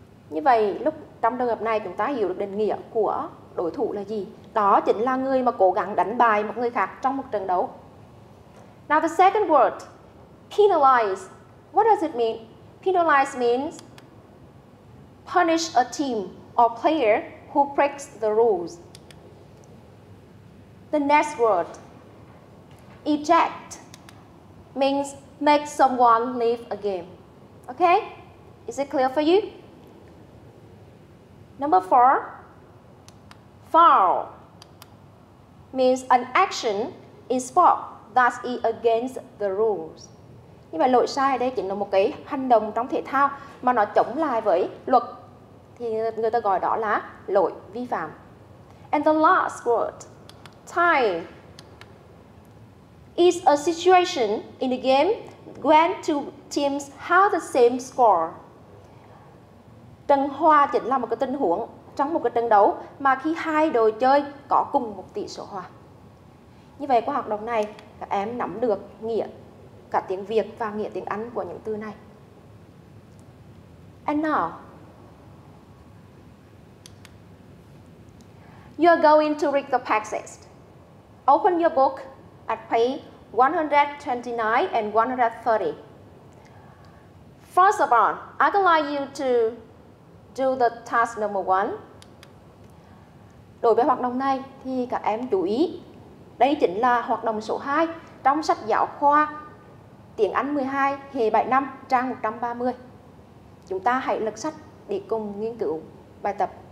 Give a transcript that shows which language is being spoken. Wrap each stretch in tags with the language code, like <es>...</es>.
<vi>Như vậy, lúc trong trường hợp này chúng ta hiểu được định nghĩa của đối thủ là gì? Đó chính là người mà cố gắng đánh bại một người khác trong một trận đấu.</vi> <en>Now the second word, penalize. What does it mean? Penalize means punish a team or player who breaks the rules. The next word, eject, means make someone leave a game. Okay? Is it clear for you? Number four, foul, means an action in sport that is against the rules.</en> <vi>Nhưng mà lỗi sai đây chính là một cái hành động trong thể thao mà nó chống lại với luật. Thì người ta gọi đó là lỗi vi phạm.</vi> <en>And the last word, tie, is a situation in the game when two teams have the same score.</en> <vi>Trận hòa chính là một cái tình huống trong một cái trận đấu mà khi hai đội chơi có cùng một tỷ số hòa. Như vậy qua hoạt động này, các em nắm được nghĩa cả tiếng Việt và nghĩa tiếng Anh của những từ này.</vi> <en>And now, you are going to read the passage. Open your book at page 129 and 130. First of all, I would like you to do the task number one.</en> <vi>Đối với hoạt động này thì các em chú ý, đây chính là hoạt động số 2 trong sách giáo khoa tiếng Anh 12 hệ 75 trang 130. Chúng ta hãy lật sách để cùng nghiên cứu bài tập.</vi>